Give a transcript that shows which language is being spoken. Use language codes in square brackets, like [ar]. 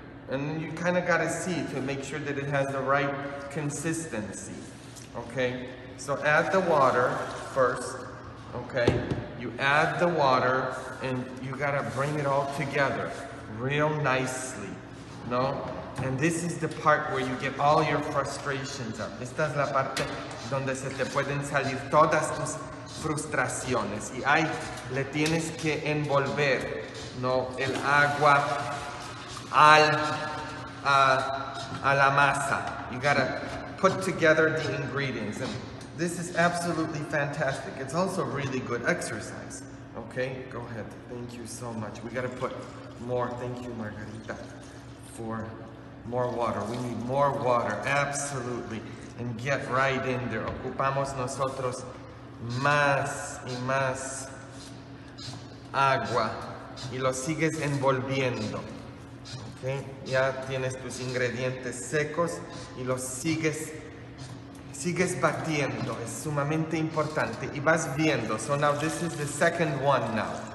[en] And you kind of got to see to make sure that it has the right consistency, okay? So add the water first, okay? You add the water and you got to bring it all together real nicely, no? And this is the part where you get all your frustrations up. [es] Esta es la parte donde se te pueden salir todas tus frustraciones. Y ahí le tienes que envolver, no, el agua a la masa. [en] You gotta put together the ingredients. And this is absolutely fantastic. It's also really good exercise. Okay, go ahead. Thank you so much. We gotta put more. Thank you, Margarita, for more water. We need more water, absolutely. And get right in there. [es] Ocupamos nosotros más y más agua. Y lo sigues envolviendo. Okay. Ya tienes tus ingredientes secos y los sigues batiendo. Es sumamente importante y vas viendo. [en] So now this is the second one now.